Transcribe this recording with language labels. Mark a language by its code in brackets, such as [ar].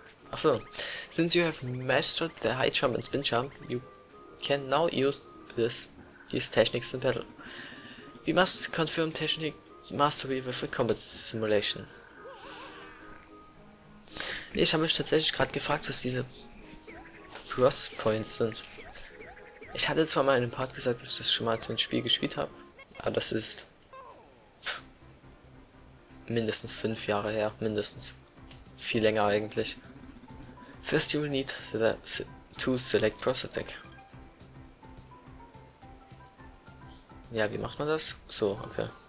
[en] Achso, since you have mastered the high jump and spin jump, you can now use these techniques in battle. We must confirm technique mastery with a combat simulation. [de] Ich habe mich tatsächlich gerade gefragt, was diese Cross Points sind. Ich hatte zwar mal in dem Part gesagt, dass ich das schon mal zu einem Spiel gespielt habe, aber das ist mindestens 5 Jahre her, mindestens. Viel länger eigentlich. [en] First you will need the to select cross attack. [de] Ja, wie macht man das? So, okay.